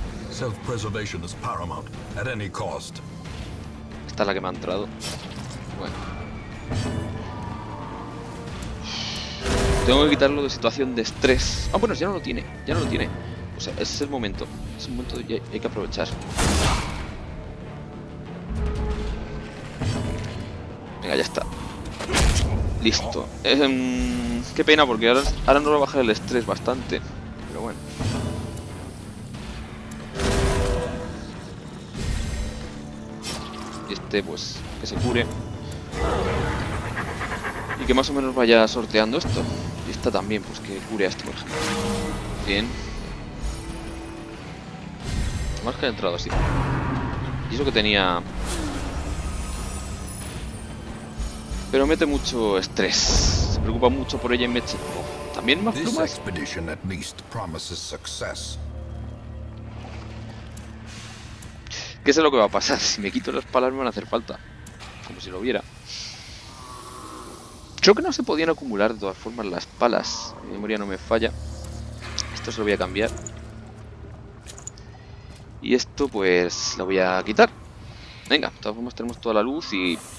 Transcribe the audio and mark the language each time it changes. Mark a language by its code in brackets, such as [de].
[en] Self-preservation is paramount at any cost. [es] Esta es la que me ha entrado. Bueno. Tengo que quitarlo de situación de estrés. Ah, bueno, ya no lo tiene. Ya no lo tiene. O sea, ese es el momento. Es el momento que hay que aprovechar. Venga, ya está. Listo. Qué pena, porque ahora nos va a bajar el estrés bastante. Pero bueno. Este, pues, que se cure. Y que más o menos vaya sorteando esto. Y esta también, pues, que cure a este, por ejemplo. Bien. Más que ha entrado así. Y eso que tenía... Pero mete mucho estrés. Se preocupa mucho por ella y mete... Oh, ¿también más plumas? [en] This expedition at least promises success. [es] ¿Qué es lo que va a pasar? Si me quito las palas me van a hacer falta. Como si lo viera. Creo que no se podían acumular de todas formas las palas. Mi memoria no me falla. Esto se lo voy a cambiar. Y esto pues lo voy a quitar. Venga, de todas formas tenemos toda la luz y...